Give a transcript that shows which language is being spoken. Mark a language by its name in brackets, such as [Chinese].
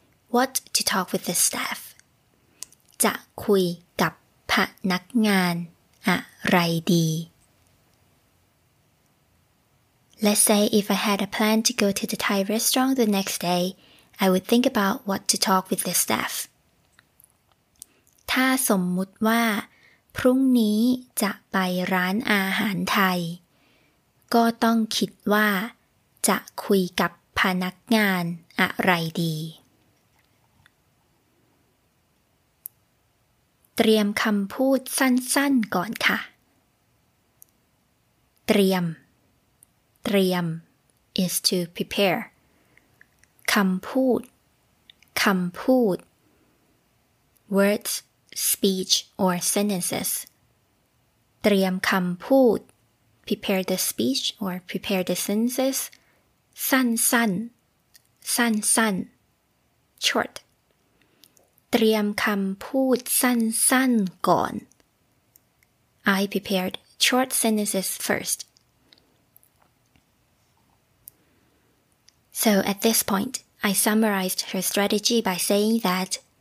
[English] What to talk with the staff? [Thai] จะคุยกับพนักงานอะไรดี [English] Let's say if I had a plan to go to the Thai restaurant the next day, I would think about what to talk with the staff. [Thai] ถ้าสมมุติว่าพรุ่งนี้จะไปร้านอาหารไทยก็ต้องคิดว่าจะคุยกับพนักงานอะไรดี เตรียมคำพูดสั้นๆก่อนค่ะ [English] เตรียม is to prepare คำพูด words speech or sentences [Thai] เตรียมคำพูด [English] prepare the speech or prepare the sentences สั้นๆ short [Thai] เตรียมคำพูดสั้นๆก่อน [English] I prepared short sentences first. So at this point, I summarized her strategy by saying that